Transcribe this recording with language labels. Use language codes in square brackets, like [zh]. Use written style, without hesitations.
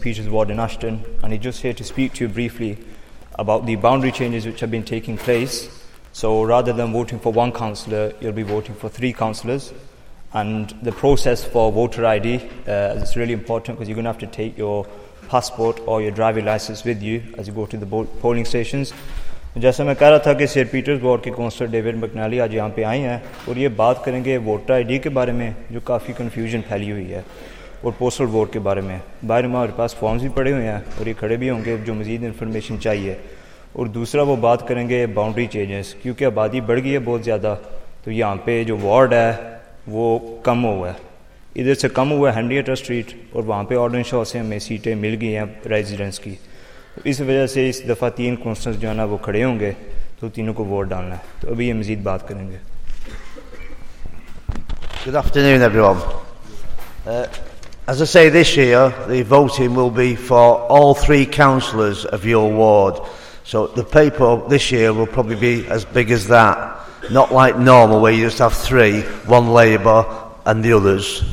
[en] Peter's Ward in Ashton, and he's just here to speak to you briefly about the boundary changes which have been taking place. So rather than voting for one councillor, you'll be voting for three councillors, and the process for voter ID is really important because you're going to have to take your passport or your driving license with you as you go to the polling stations. [ur] جیسا میں کہہ رہا تھا کہ Saint Peter's ward کے counsellor David مکنالی آج یہاں پہ آئے ہیں اور یہ بات کریں گے ووٹر آئی ڈی کے بارے میں جو کافی کنفیوژن پھیلی ہوئی ہے اور پوسٹل ووٹ کے بارے میں. باہر میں ہمارے پاس فارمز بھی پڑے ہوئے ہیں اور یہ کھڑے بھی ہوں گے جو مزید انفارمیشن چاہیے. اور دوسرا وہ بات کریں گے باؤنڈری چینجز, کیونکہ آبادی بڑھ گئی ہے بہت زیادہ تو یہاں پہ جو وارڈ ہے وہ کم ہوا ہے, ادھر سے کم ہوا ہے ہنریٹا اسٹریٹ اور وہاں پہ آرڈنس ہاؤس سے ہمیں سیٹیں مل گئی ہیں ریزیڈنس کی. اس وجہ سے اس دفعہ تین کونسلرز جو ہے نا وہ کھڑے ہوں گے تو تینوں کو ووٹ ڈالنا ہے. تو ابھی یہ مزید بات کریں گے. [en] Good afternoon everyone. As I say, this year the voting will be for all three councillors of your ward, so the paper this year will probably be as big as that, not like normal where you just have three, one Labour and the others.